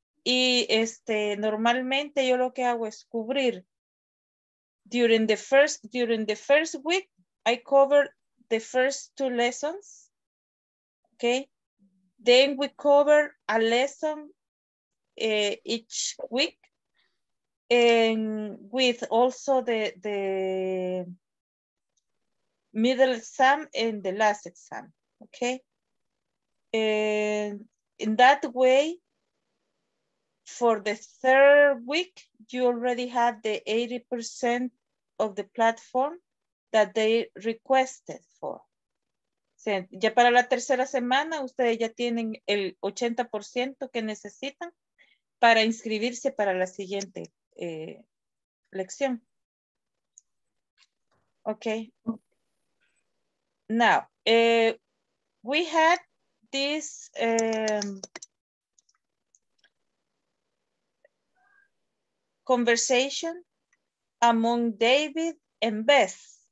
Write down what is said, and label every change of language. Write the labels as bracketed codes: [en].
[es] Y normalmente yo lo que hago es cubrir. [en] During the first week, I covered the first two lessons, okay? Then we cover a lesson each week, and with also the middle exam and the last exam, okay? And in that way, for the third week, you already have the 80% of the platform that they requested for. [es] Ya para la tercera semana, ustedes ya tienen el 80% que necesitan para inscribirse para la siguiente lección. Okay. [en] Now, we had this conversation among David and Beth.